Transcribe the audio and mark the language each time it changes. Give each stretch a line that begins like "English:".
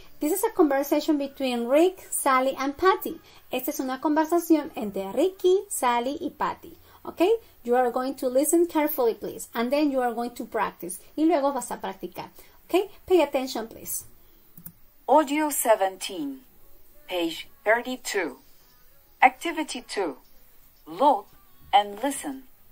English: This is a conversation between Rick, Sally, and Patty.
Spanish: Esta es una conversación entre Ricky, Sally, y Patty.
English: Okay, you are going to listen carefully, please. And then you are going to practice.
Spanish: Y luego vas a practicar.
English: Okay, pay attention, please. Audio 17, page 32. Activity 2. Look and listen.